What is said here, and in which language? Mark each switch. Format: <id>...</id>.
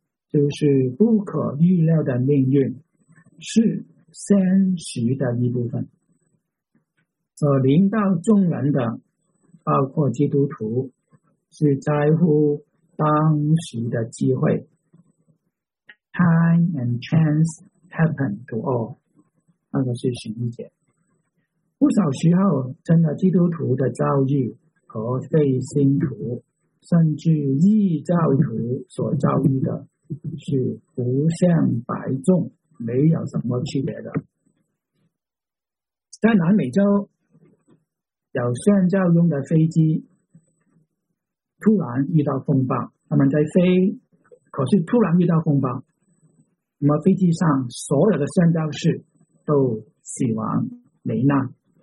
<zh>就是不可预料的命运是现实的一部分，所临到众人的包括基督徒是在乎当时的机会。</zh> <en>Time and chance happen to all，</en> <zh>那个是神迹。不少时候真的基督徒的遭遇和非信徒甚至异教徒所遭遇的是不像白种，没有什么区别的。在南美洲有宣教用的飞机突然遇到风暴，他们在飞，可是突然遇到风暴，那么飞机上所有的宣教士都死亡罹难。</zh>